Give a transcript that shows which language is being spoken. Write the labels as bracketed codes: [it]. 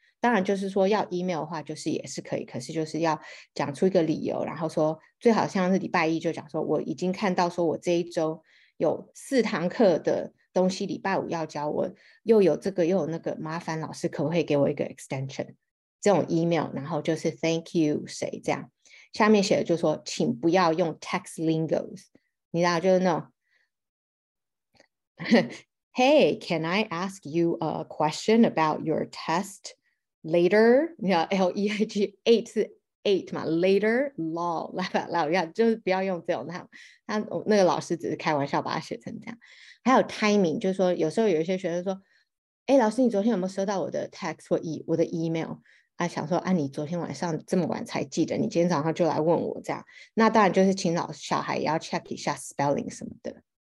[zh] 当然就是说要 email 的话，就是也是可以，可是就是要讲出一个理由，然后说最好像是礼拜一就讲说我已经看到说我这一周有4堂课的东西，礼拜五要教，我又有这个又有那个，麻烦老师可不可以给我一个 extension？这种 email，然后就是 thank you 谁这样。下面写的就是说，请不要用 text lingos，你知道就是那种 ， [en] Hey, can I ask you a question about your test later？ [zh] 你知道 LEIG 8 嘛？Later law 来吧来，就是不要用这种。他那个老师只是开玩笑把它写成这样。还有 timing，就是说有时候有一些学生说，哎，老师，你昨天有没有收到我的 text 或我的 email？他想说啊，你昨天晚上这么晚才记得，你今天早上就来问我这样，那当然就是请老小孩也要 check 一下 spelling 什么的。